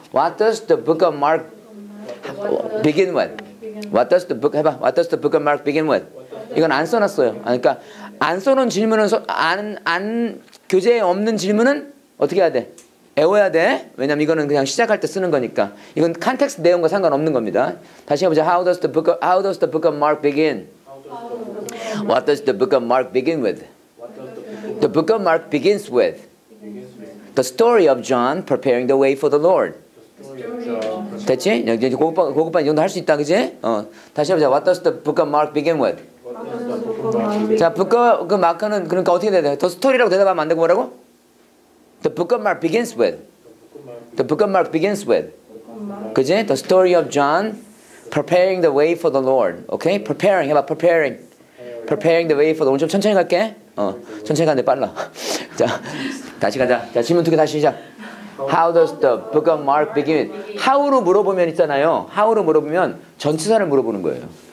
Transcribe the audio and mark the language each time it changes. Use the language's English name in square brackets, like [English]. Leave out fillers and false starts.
[English] What does the book of Mark begin with? What does the book [Korean] 해봐. [English] What does the book of Mark begin with? [Korean] 이건 안 써놨어요. 그러니까 안 써놓은 질문은 안 교재에 없는 질문은 어떻게 해야 돼? 외워야 돼. 왜냐면 이거는 그냥 시작할 때 쓰는 거니까. 이건 컨텍스트 내용과 상관없는 겁니다. [English] 다시 해보자. How does the book of Mark begin? What does the book of Mark begin with? The book of Mark begins with the story of John preparing the way for the Lord. [Korean] 됐지? 고급반 이 정도 할 수 있다, 그지? 다시 해보자. [English] What does the book of Mark begin with? [Korean] 자, 그 마크는 그러니까 어떻게 해야 돼? 더 스토리라고 대답하면 안 되고 뭐라고? [English] The book of Mark begins with. The book of Mark begins with. 그지? The story of John preparing the way for the Lord. Okay? Preparing. [Korean] 해봐, [English] preparing. Preparing the way for the Lord. [Korean] 좀 천천히 갈게. 천천히 가는데 빨라. 자, 다시 가자. 자, 질문 두 개 다시 시작. [English] How does the book of Mark begin with? [Korean] How로 물어보면 있잖아요. How로 물어보면 전치사를 물어보는 거예요.